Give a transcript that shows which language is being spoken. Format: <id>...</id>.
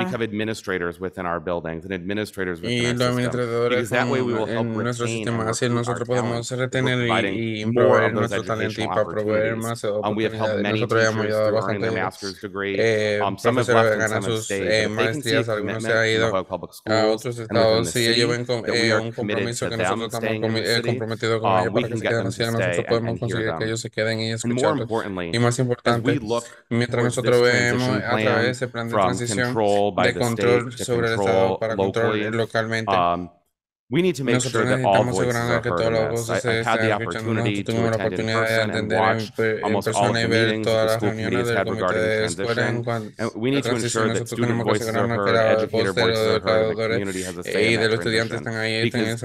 <en>to become administrators within our buildings and administrators within</en> <es>y</es> <en>our system because that way we will help retain and our talent. We're providing more of those educational opportunities. We have helped many teachers to earn their master's degree. Some have left and some have stayed. They can see a commitment in the Hoyle Public Schools and</en> <es>Sí, ellos ven un compromiso que nosotros estamos comprometidos con ellos para que se queden así, nosotros podemos conseguir que ellos se queden y escucharlos. Y más importante, mientras nosotros vemos a través de ese plan de transición de control sobre el Estado para controlar localmente,</es> <en>We need to make</en> <es>Nosotros</es> <en>sure that all voices are heard in this. I've had the opportunity to attend in person and watch almost all the meetings that the school committee has had regarding the transition. And we need to ensure that student voices are heard, educator voices are heard, and the community has a say in that transition.</en>